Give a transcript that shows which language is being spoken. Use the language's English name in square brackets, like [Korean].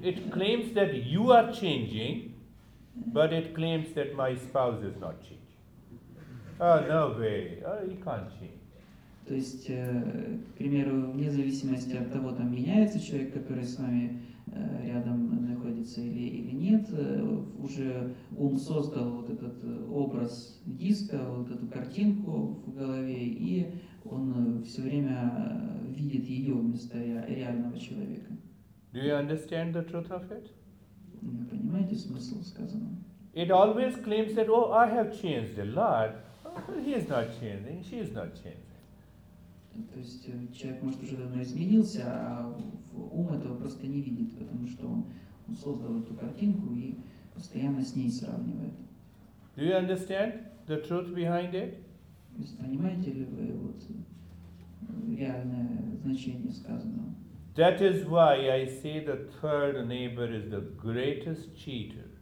[English] It claims that you are changing, but it claims that my spouse is not changing. Oh, no way. Oh, he can't change. [Russian] То есть, к примеру, вне зависимости от того, там меняется человек, который с вами рядом находится или нет, уже ум создал вот этот образ диска, вот эту картинку в голове, и он все время видит ее вместо реального человека. [English] Do you understand the truth of it? [Russian] Вы понимаете смысл сказанного? [English] It always claims that, oh, I have changed a lot. Oh, he is not changing, she is not changing. [Russian] То есть человек, может, уже давно изменился, а ум этого просто не видит, потому что он создал эту картинку и постоянно с ней сравнивает. [English] Do you understand the truth behind it? [Russian] То есть, понимаете ли вы вот реальное значение сказанного? [English] That is why I say the third neighbor is the greatest cheater.